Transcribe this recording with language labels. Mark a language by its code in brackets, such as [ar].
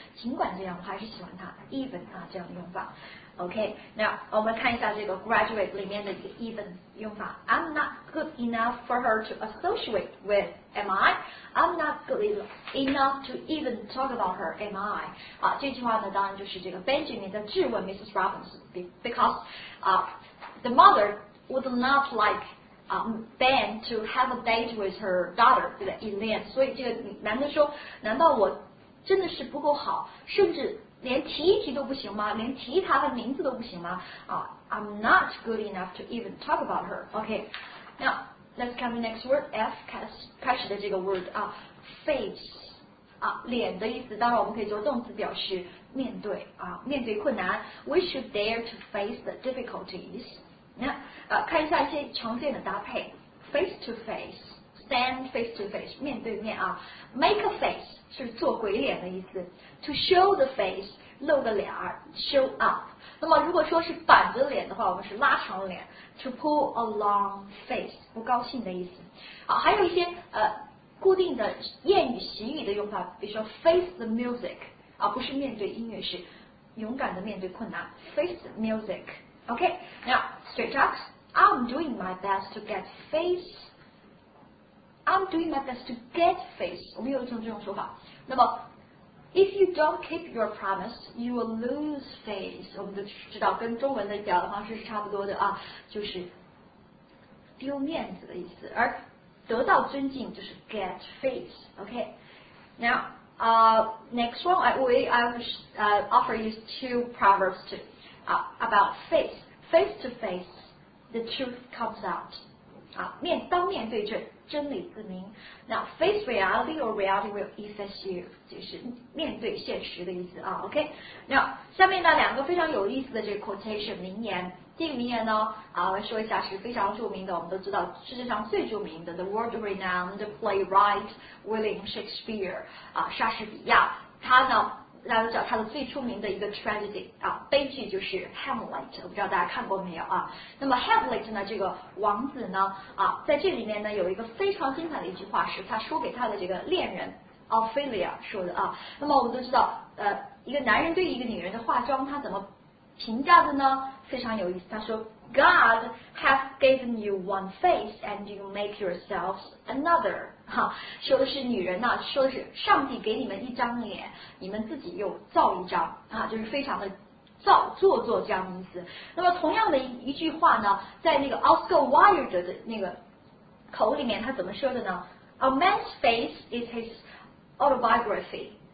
[zh] 尽管这样，我还是喜欢他 ，even 啊这样的用法。 OK， now 我们看一下这个 graduate 里面的一个 even 用法。 [en] I'm not good enough for her to associate with， am I？ I'm not good enough to even talk about her， am I？ [zh] 啊，这句话呢，当然就是这个 Benjamin 在质问 Mrs. Robbins， because 啊。 [en] The mother would not like Ben to have a date with her daughter in the end. [zh] 所以这个男的说，难道我真的是不够好，甚至连提一提都不行吗？连提他的名字都不行吗？ [en] I'm not good enough to even talk about her. Okay, now let's come to the next word. [zh] F 开始的这个 word face 啊，脸的意思。当然我们可以做动词表示。面对啊，面对困难 ， [en] we should dare to face the difficulties。 [zh] 那看一下一些常见的搭配 ， [en] face to face，stand face to face， [zh] 面对面啊 ，make a face 是做鬼脸的意思 ，to show the face 露个脸儿 ，show up。那么如果说是板着脸的话，我们是拉长脸 ， [en] to pull a long face， [zh] 不高兴的意思。好，还有一些固定的谚语形语的用法，比如说 [en] face the music， [zh] 而不是面对音乐，是勇敢的面对困难。Face the music. [en] OK, now, straight talks. I'm doing my best to get face. I'm doing my best to get face. [zh] 我们有一种这种说法。 [en] 那么 ，if you don't keep your promise, you will lose face. [zh] 我们都知道，跟中文的表达方式是差不多的啊，就是丢面子的意思。而得到尊敬就是 get face. OK. [en] Now, next one, I will offer you two proverbs too, about face. Face to face, the truth comes out. [zh] 当面对证，真理自明。 [en] Now, face reality or reality will assess you, [zh] 就是面对现实的意思啊。 OK, now, 下面呢两个非常有意思的这个 quotation 名言。第一个名言呢，说一下是非常著名的，我们都知道世界上最著名的 [en] the world renowned playwright William Shakespeare, [zh] 莎士比亚。他呢，大家都知道他的最出名的一个 tragedy 啊，悲剧就是 Hamlet， 我不知道大家看过没有啊。那么 Hamlet 呢，这个王子呢，在这里面呢有一个非常精彩的一句话，是他说给他的这个恋人 Ophelia 说的啊。那么我们都知道，一个男人对一个女人的化妆，他怎么评价的呢？非常有意思，他说 [en] God has given you one face and you make yourselves another. [zh] 说的是女人呢，说的是上帝给你们一张脸，你们自己又造一张啊，就是非常的造做作这样的意思。那么同样的 一句话呢，在那个 Oscar Wilde 的那个口里面，他怎么说的呢？ [en] A man's face is his autobiography.